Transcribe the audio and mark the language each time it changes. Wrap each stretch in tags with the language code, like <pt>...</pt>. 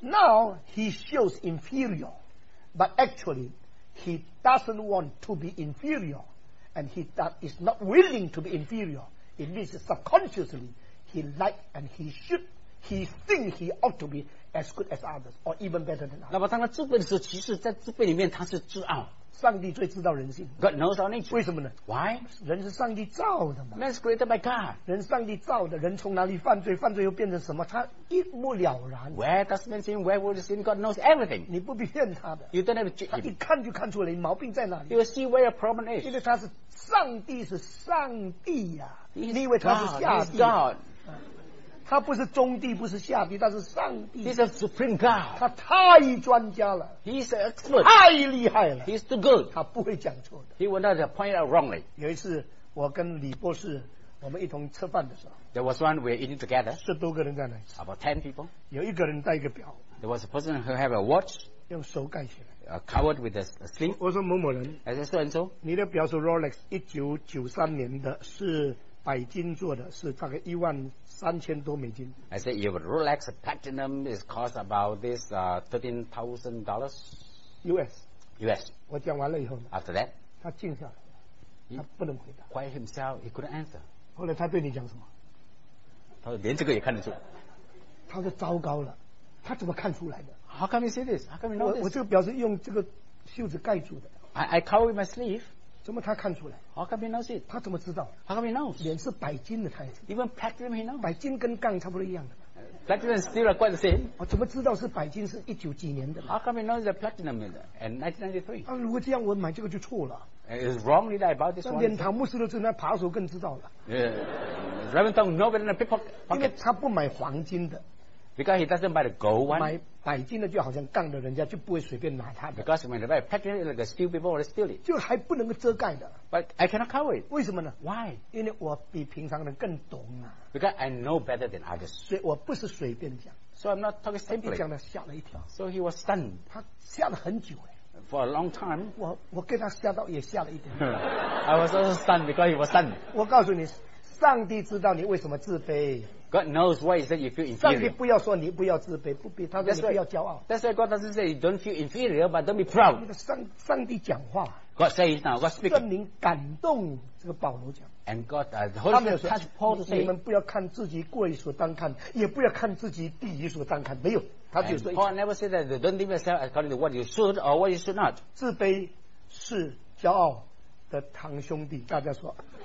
<en>Now he shows inferior, but actually he doesn't want to be inferior, and he is not willing to be inferior. It means subconsciously he likes and he should, he thinks he ought to be as good as others, or even better than others.</en> <zh>那么当他自卑的时候，其实在自卑里面他是自傲。上帝最知道人性,</zh> <en>God knows our nature.</en> <zh>为什么呢?</zh> <en>Why?</en> <zh>人是上帝造的嘛。</zh> <en>Man is created by God.</en> <zh>人上帝造的, 人从哪里犯罪, 犯罪又变成什么, 他一目了然。</zh> <en>Where does man sin? Where will the sin? God knows everything.</en> <zh>你不必骗他的。</zh> <en>You don't have to cheat him.</en> <zh>他一看就看出来, 毛病在哪里。</zh> <en>He will see where your problem is.</en> <zh>因为他是上帝, 是上帝啊。</zh> <en>He is God.</en> <zh>他不是中帝, 不是下帝, 他是上帝,</zh> <en>he's a supreme God.</en> <zh>他太专家了,</zh> <en>he's an expert.</en> <zh>太厉害了,</zh> <en>he's too good.</en> <zh>他不会讲错的,</zh> <en>he will not point out wrongly.</en> <zh>有一次我跟李博士, 我们一同吃饭的时候,</zh> <en>there was one we were eating together.</en> <zh>十多个人在那里,</zh> <en>about 10 people.</en> <zh>有一个人带一个表,</zh> <en>there was a person who had a watch,</en> <zh>用手盖起来,</zh> <en>covered with a sleeve.</en> <zh>我说某某人,</zh> <en>I said so and so,</en> <zh>你的表是 Rolex 1993年的, 是 百金做的, 是大概13,000多美金。</zh> <en>I said, your Rolex Platinum is cost about this $13,000 US. US.</en> <zh>我讲完了以后呢,</zh> <en>after that,</en> <zh>他静下来, 他不能回答,</zh> <en>he quiet himself, he couldn't answer.</en> <zh>后来他对你讲什么? 他说连这个也看得出, 他说糟糕了, 他怎么看出来的?</zh> <en>How come you say this? How come you know this?</en> <zh>我这个表是用这个袖子盖住的,</zh> <en>I cover with my sleeve.</en> <zh>怎么他看出来？</zh> <en>How come he knows it?</en> <zh>他怎么知道？</zh> <en>How come he knows?</en> <zh>脸是白金的，他也</zh> <en>知道。Even platinum he knows.</en> <zh>白金跟钢差不多一样的。</zh> <en>Platinum and steel are quite the same.</en> <zh>我怎么知道是白金是一九几年的？</zh> <en>How come he knows that platinum is in 1993?</en> <zh>啊，如果这样我买这个就错了。</zh> <en>It's wrongly that I bought this one.</en> <zh>那连唐牧师都知道，扒手更知道了。</zh> <en>Yeah, Reverend Tong knows better than a pickpocket.</en> <zh>因为他不买黄金的。</zh> <en>Because he doesn't buy the gold one.</en> <zh>买白金的就好像杠的人家就不会随便拿他的。</zh> <en>Because when they buy platinum, it's like a steel people or steel it.</en> <zh>就还不能遮盖的。</zh> <en>But I cannot cover it.</en> <zh>为什么呢？</zh> <en>Why?</en> <zh>因为我比平常人更懂啊。</zh> <en>Because I know better than others.</en> <zh>所以我不是随便讲。</zh> <en>So I'm not talking simply.</en> <zh>讲了吓了一跳。</zh> <en>So he was stunned.</en> <zh>他吓了很久哎。</zh> <en>For a long time.</en> <zh>我给他吓到也吓了一点。</zh> <en>I was also stunned because he was stunned.</en> <zh>我告诉你，上帝知道你为什么自卑。</zh> <en>God knows why is that you feel inferior.</en> <zh>上帝不要说你不要自卑，不必他说你不要骄傲。</zh> <en>That's why God doesn't say you don't feel inferior, but don't be proud.</en> <zh>上帝讲话。</zh> <en>God says now, God speaks.</en> <zh>圣灵感动这个保罗讲。</zh> <en>And God, the Holy Spirit touched Paul to say,</en> <zh>你们不要看自己过于所当看，也不要看自己低于所当看。没有，他就说。</zh> <en>Paul never said that. Don't think yourself according to what you should or what you should not.</en> <zh>自卑是骄傲的堂兄弟，大家说。</zh>